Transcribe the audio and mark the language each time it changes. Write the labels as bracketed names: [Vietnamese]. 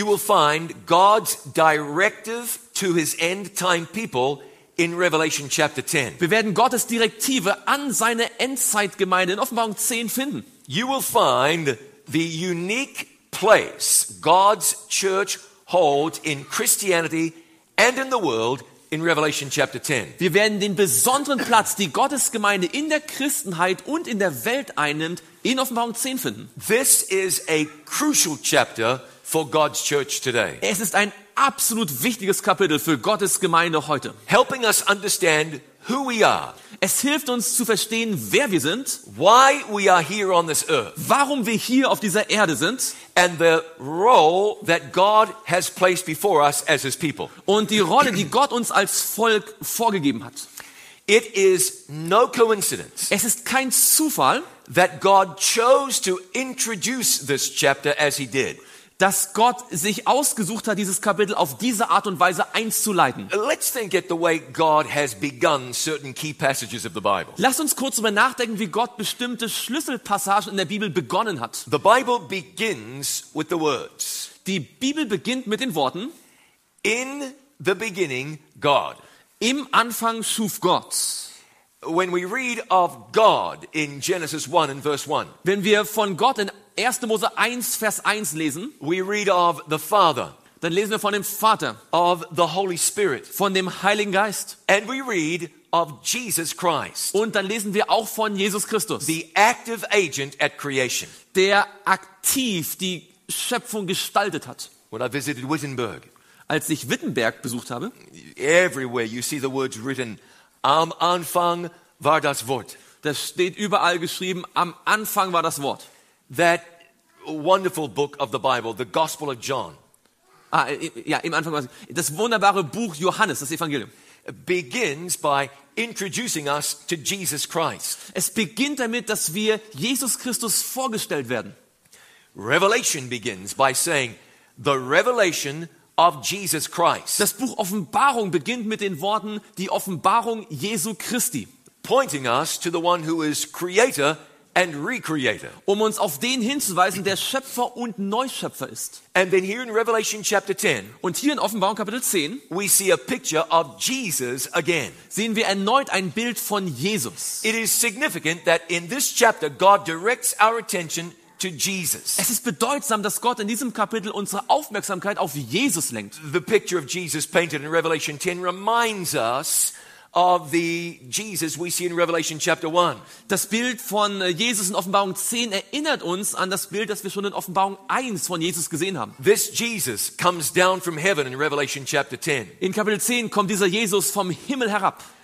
[English] You will find God's directive to his end time people in Revelation chapter 10. [German] Wir werden Gottes Direktive an seine Endzeitgemeinde in Offenbarung 10 finden. [English] You will find the unique place God's church holds in Christianity and in the world. In Revelation chapter 10. [German] Wir werden den besonderen Platz, die Gottesgemeinde in der Christenheit und in der Welt einnimmt, in Offenbarung 10 finden. [English] This is a crucial chapter for God's church today. [German] Es ist ein absolut wichtiges Kapitel für Gottes Gemeinde heute. [English] Helping us understand who we are. [German] Es hilft uns zu verstehen, wer wir sind. [English] Why we are here on this earth. [German] Warum wir hier auf dieser Erde sind. [English] And the role that God has placed before us as his people. [German] Und die Rolle, die Gott uns als Volk vorgegeben hat. [English] It is no coincidence. [German] Es ist kein Zufall, [English] that God chose to introduce this chapter as he did. [German] Dass Gott sich ausgesucht hat, dieses Kapitel auf diese Art und Weise einzuleiten. [English] Let's think at the way God has begun certain key passages of the Bible. [German] Lass uns kurz darüber nachdenken, wie Gott bestimmte Schlüsselpassagen in der Bibel begonnen hat. [English] The Bible begins with the words. [German] Die Bibel beginnt mit den Worten. [English] In the beginning God. [German] Im Anfang schuf Gott. [English] When we read of God in Genesis 1 and verse 1. [German] Wenn wir von Gott in 1. Mose 1 Vers 1 lesen. [English] We read of the Father. [German] Dann lesen wir von dem Vater. [English] Of the Holy Spirit. [German] Von dem Heiligen Geist. [English] And we read of Jesus Christ. [German] Und dann lesen wir auch von Jesus Christus. [English] The active agent at creation. [German] Der aktiv die Schöpfung gestaltet hat. [English] When I visited Wittenberg. [German] Als ich Wittenberg besucht habe. [English] Everywhere you see the words written, [German] am Anfang war das Wort. Das steht überall geschrieben, am Anfang war das Wort. [English] That wonderful book of the Bible, the Gospel of John. [German] Ah, ja, im Anfang war das wunderbare Buch Johannes, das Evangelium. [English] begins by introducing us to Jesus Christ. [German] Es beginnt damit, dass wir Jesus Christus vorgestellt werden. [English] Revelation begins by saying the revelation of Jesus Christ. [German] Das Buch Offenbarung beginnt mit den Worten die Offenbarung Jesu Christi. [English] Pointing us to the one who is creator and recreator. [German] Um uns auf den hinzuweisen, der Schöpfer und Neuschöpfer ist. [English] And then here in Revelation chapter 10, [German] und hier in Offenbarung Kapitel 10, [English] we see a picture of Jesus again. [German] Sehen wir erneut ein Bild von Jesus. [English] It is significant that in this chapter God directs our attention to Jesus. [German] Es ist bedeutsam, dass Gott in diesem Kapitel unsere Aufmerksamkeit auf Jesus lenkt. [English] The picture of Jesus painted in Revelation 10 reminds us of the Jesus we see in Revelation chapter 1. [German] Das Bild von Jesus in Offenbarung 10 erinnert uns an das Bild, das wir schon in Offenbarung 1 von Jesus gesehen haben. [English] This Jesus comes down from heaven in Revelation chapter 10. [German] In Kapitel 10 kommt dieser Jesus vom Himmel herab.